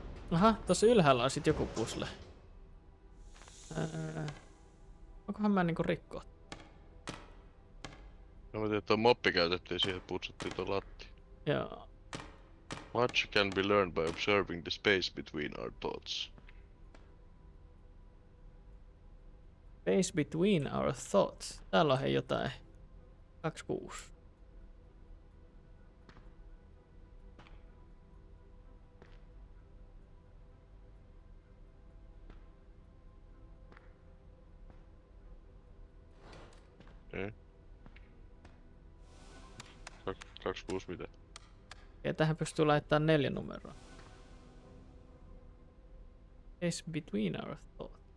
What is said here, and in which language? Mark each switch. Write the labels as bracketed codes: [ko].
[fi] Aha, tossa ylhäällä on sit joku pusle. Onkohan mä niinku rikkoa? No mä tiedän, että toi moppi käytettiin siihen, putsattiin toi latti. Joo. [en] Much can be learned by observing the space between our thoughts. Space between our thoughts. [fi] Täällä on hei jotain. 26. Okay. 26 mitä? Ja tähän pystyy laittamaan 4 numeroa. [en] Space between our thoughts.